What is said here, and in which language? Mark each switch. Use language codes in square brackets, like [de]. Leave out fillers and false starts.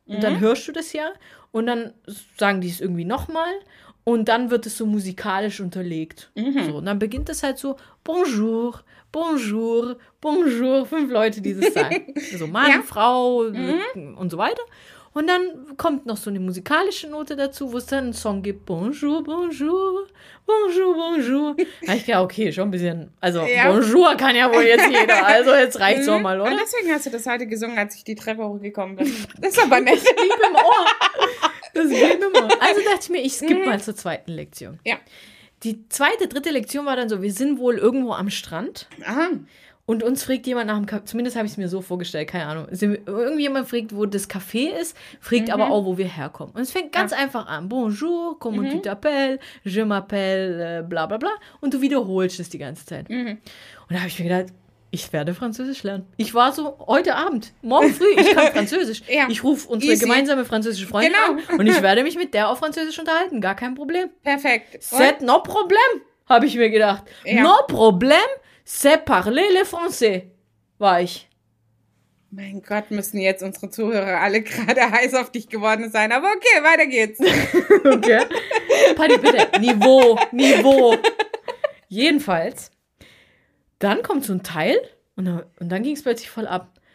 [de] Und dann hörst du das ja. Und dann sagen die es irgendwie nochmal. Und dann wird es so musikalisch unterlegt. Mhm. So, und dann beginnt es halt so, bonjour, bonjour, bonjour. 5 Leute, die das sagen. Also Mann, ja. Frau und so weiter. Und dann kommt noch so eine musikalische Note dazu, wo es dann einen Song gibt. [fr] Bonjour, bonjour, bonjour, bonjour. [de] Da ich dachte, okay, schon ein bisschen. Also ja. Bonjour kann ja wohl jetzt jeder. Also jetzt reicht es auch mal, oder? Und deswegen hast du das heute gesungen, als ich die Treppe hochgekommen bin. Das ist aber nett. Das blieb im Ohr. Das blieb im Ohr. Also dachte ich mir, ich skippe mal zur zweiten Lektion. Ja. Die zweite, dritte Lektion war dann so, wir sind wohl irgendwo am Strand. Aha. Und uns fragt jemand nach dem Café, zumindest habe ich es mir so vorgestellt, keine Ahnung. Irgendjemand fragt, wo das Café ist, fragt aber auch, wo wir herkommen. Und es fängt ganz einfach an. [fr] Bonjour, comment tu t'appelles, je m'appelle, bla bla bla. [de] Und du wiederholst es die ganze Zeit. Mhm. Und da habe ich mir gedacht, ich werde Französisch lernen. Ich war so, heute Abend, morgen früh, ich kann Französisch. Ja. Ich rufe unsere gemeinsame französische Freundin an und ich werde mich mit der auf Französisch unterhalten. Gar kein Problem. Perfekt. C'est no problem, habe ich mir gedacht. Ja. [en] No problem. [fr] C'est parler le français, war ich. [de] Mein Gott, müssen jetzt unsere Zuhörer alle gerade heiß auf dich geworden sein. Aber okay, weiter geht's. Okay. Patti, bitte, Niveau. Jedenfalls, dann kommt so ein Teil und dann ging es plötzlich voll ab.